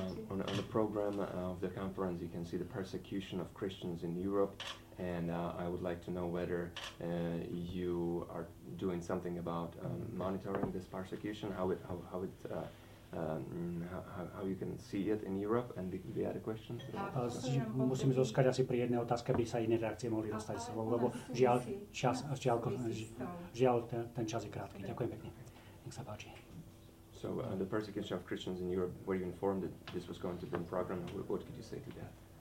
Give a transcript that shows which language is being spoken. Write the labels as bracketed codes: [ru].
[en] On the program of the conference you can see the persecution of Christians in Europe. And I would like to know whether you are doing something about monitoring this persecution, how you can see it in Europe, and the other question. [sk] Musím zoskať asi pri jednej otázke, aby sa iné reakcie mohli dostať s sebou, lebo žiaľ, ten čas je krátky. Ďakujem pekne. Nech sa páči. [en] So the persecution of Christians in Europe, were you informed that this was going to be a program? What could you say to that?